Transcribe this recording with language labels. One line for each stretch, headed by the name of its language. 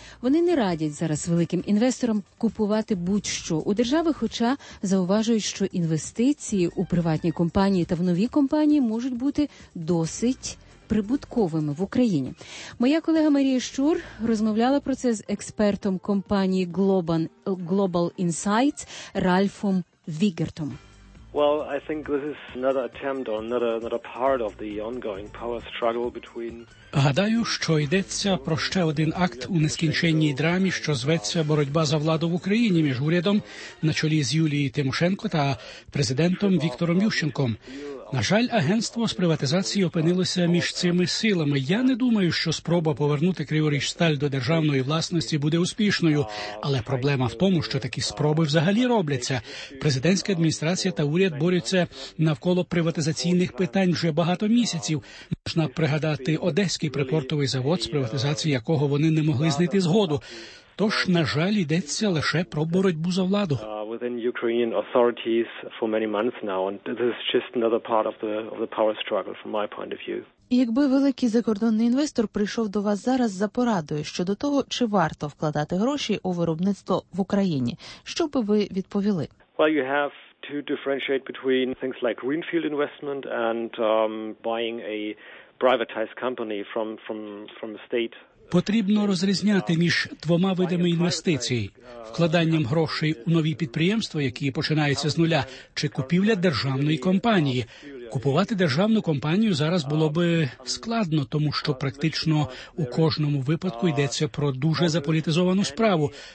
Ukrainian: Вони не радять зараз великим інвесторам купувати будь-що у держави, хоча зауважують, що інвестиції у приватні компанії та в нові компанії можуть бути досить прибутковими в Україні. Моя колега Марія Щур розмовляла про це з експертом компанії Global Insights Ральфом Вігертом.
English: Well, I think this is another attempt or another part of the ongoing power struggle between.
Ukrainian: Гадаю, що йдеться про ще один акт у нескінченній драмі, що зветься боротьба за владу в Україні між урядом на чолі з Юлією Тимошенко та президентом Віктором Ющенком. На жаль, агентство з приватизації опинилося між цими силами. Я не думаю, що спроба повернути Криворіжсталь до державної власності буде успішною. Але проблема в тому, що такі спроби взагалі робляться. Президентська адміністрація та уряд борються навколо приватизаційних питань вже багато місяців. Можна пригадати Одеський припортовий завод, з приватизації якого вони не могли знайти згоду. Тож, на жаль, йдеться лише про боротьбу за владу.
English: Within Ukrainian authorities for many months now, and this is just another part of the power struggle from my point of view.
Ukrainian: Якби великий закордонний інвестор прийшов до вас зараз за порадою щодо того, чи варто вкладати гроші у виробництво в Україні, що би ви відповіли?
English: Well, you have to differentiate between things like greenfield investment and buying a privatized company from state.
Ukrainian: Потрібно розрізняти між двома видами інвестицій – вкладанням грошей у нові підприємства, які починаються з нуля, чи купівля державної компанії. Купувати державну компанію зараз було би складно, тому що практично у кожному випадку йдеться про дуже заполітизовану справу.